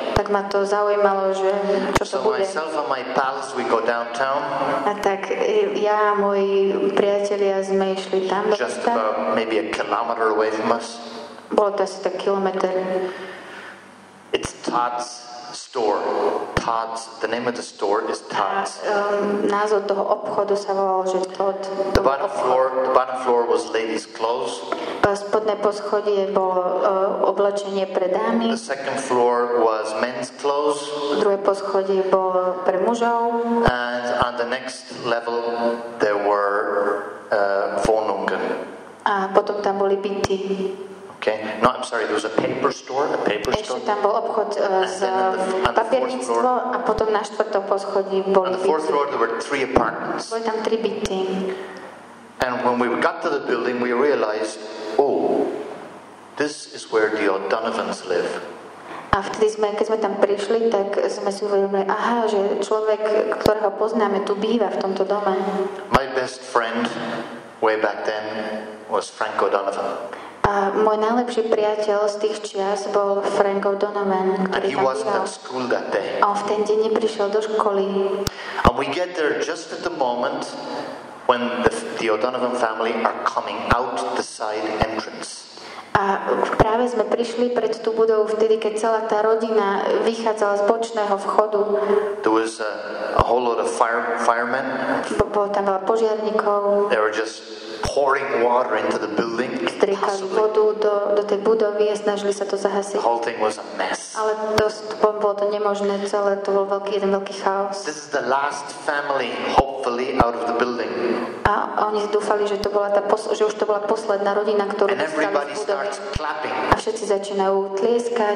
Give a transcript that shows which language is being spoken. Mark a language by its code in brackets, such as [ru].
[sk] Tak ma to zaujímalo, že čo [en] so [sk] to bude. [en] So myself and my pals, we go downtown. [sk] A tak ja a moji priatelia sme išli tam do mesta. [en] Just about maybe a kilometer away from us. [sk] Bolo to asi tak kilometer. [en] It's Todd's store. Todd's, the name of the store is Todd's. [sk] Názov toho obchodu sa volal, že Todd. [en] The bottom floor was ladies' clothes. [sk] Spodné poschodie bolo oblečenie pre dámy. [en] The second floor was men's clothes. [sk] Druhé poschodie bolo pre mužov. [en] And on the next level there were Wohnungen. [sk] A potom tam boli byty. [en] Okay. No, I'm sorry. There was a paper store, a paper [sk] ešte [en] store. [sk] Ešte tam bol obchod s papierníctvo a potom na štvrtom poschodí boli byty. [en] On the fourth floor there were 3 apartments. [sk] Boli tam 3 byty. [en] And when we got to the building, we realized, oh, this is where the O'Donovans live. [sk] A vtedy sme, keď sme tam prišli, tak sme si uvedomili, aha, že človek, ktorého poznáme, tu býva v tomto dome. [en] My best friend way back then was Frank O'Donovan. [sk] A môj najlepší priateľ z tých čias bol Frank O'Donovan, ktorý tam býval. [en] And he wasn't at school that day. [sk] A on v ten deň neprišiel do školy. [en] And we get there just at the moment when the O'Donovan family are coming out the side entrance. [sk] A práve sme prišli pred tú budovu vtedy, keď celá tá rodina vychádzala z bočného vchodu. [en] There was a whole lot of firemen. [sk] Bolo tam veľa požiarníkov. [en] They were just pouring water into the building. [sk] Strikali vodu do tej budovy a snažili sa to zahasiť. [en] The whole thing was a mess. [sk] Ale to bolo to nemožné celé, to bol jeden veľký chaos. [en] This is the last family, hopefully, out of the building. [sk] A oni dúfali, že to bola že už to bola posledná rodina, ktorú dostali z budovy. [en] And everybody starts clapping. [sk] A všetci začínajú tlieskať.